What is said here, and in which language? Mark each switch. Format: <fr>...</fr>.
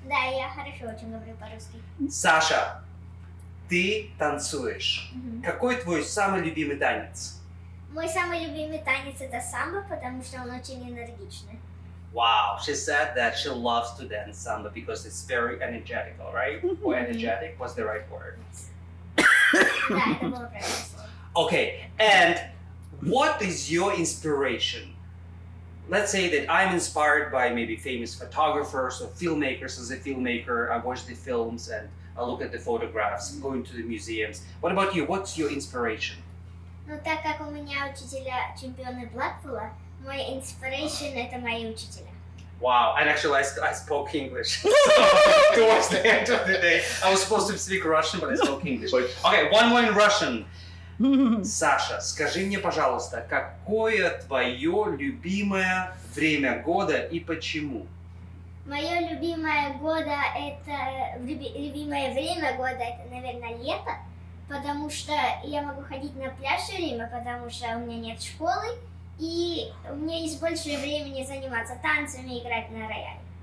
<ru>Да, я хорошо очень говорю по-русски. Sasha. Ты танцуешь. Mm-hmm. Какой твой самый любимый танец? Мой самый любимый танец это самбо, потому что он очень энергичный.</ru> <en>Wow, she said that she loves to dance samba because it's very energetic, all right? Mm-hmm. Or energetic, what's the right word? Yes. Okay, and what is your inspiration? Let's say that I'm inspired by maybe famous photographers or filmmakers. As a filmmaker, I watch the films and I look at the photographs, mm-hmm. going to the museums. What about you? What's your inspiration?</en> <ru>Ну, так как у меня учителя чемпионы Блэкпула, мой inspiration это мои учителя.</ru> <en>Wow, and actually I spoke English towards the end of the day. I was supposed to speak Russian, but I spoke English. Okay, one more in Russian.</en> <ru>Саша, скажи мне, пожалуйста, какое твое любимое время года и почему? Мое любимое года это любимое время года это, наверное, лето, потому что я могу ходить на пляж все время, потому что у меня нет школы, и у меня есть больше времени заниматься танцами и играть на рояле.</ru>